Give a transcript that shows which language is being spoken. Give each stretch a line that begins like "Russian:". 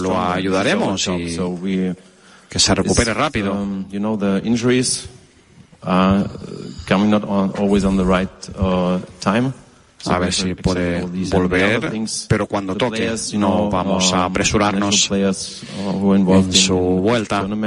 Spanish: lo ayudaremos y
English: so we,
Spanish: que se recupere rápido.
English: You know, the injuries are coming not on, always on the right time.
Spanish: A ver si puede volver, pero cuando toque, no vamos a apresurarnos en su vuelta.